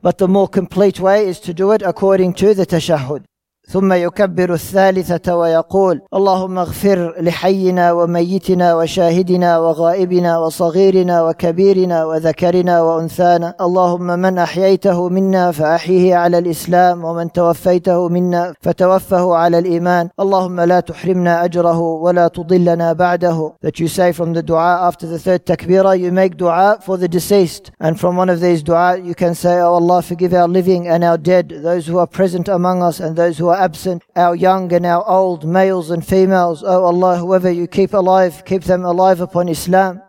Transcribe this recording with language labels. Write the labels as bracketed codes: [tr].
[en] But the more complete way is to do it according to the تشهد. [ar] ثم يكبر الثالثة ويقول اللهم اغفر لحينا وميتنا وشاهدنا وغائبنا وصغيرنا وكبيرنا وذكرنا وأنثانا. اللهم من أحييته منا فأحيه على الإسلام, ومن توفيته منا فتوفه على الإيمان. اللهم لا تحرمنا أجره ولا تضلنا بعده. [en] That you say from the dua after the third takbira, you make dua for the deceased, and from one of these dua you can say, oh Allah, forgive our living and our dead, those who are present among us and those who are absent, our young and our old, males and females. O Allah, whoever you keep alive, keep them alive upon Islam.